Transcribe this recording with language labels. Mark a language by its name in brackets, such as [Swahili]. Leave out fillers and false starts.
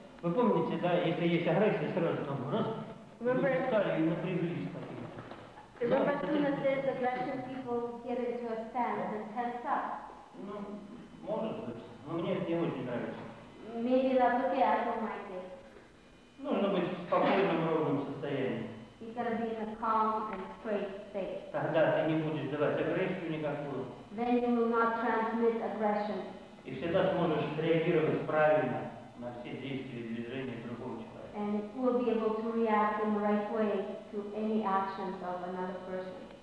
[Russian] Вы помните, да, если есть агрессия, сразу там раз, [English] remember, [Russian] вы встали и напряглись какие-то. [English] Remember, as soon as there's aggression, people get into a stand and tense up. [Russian] Ну, может быть, но мне это не очень нравится. [English] Maybe that's okay, I don't like it. [Russian] Нужно быть в спокойном, ровном состоянии. [English] You gotta be in a calm and straight state. [Russian] Тогда ты не будешь давать агрессию никакую. [English] Then you will not transmit aggression. [Russian] И всегда сможешь реагировать правильно на все действия и движения другого человека. [English] And will be able to react in the right way to any actions of another person.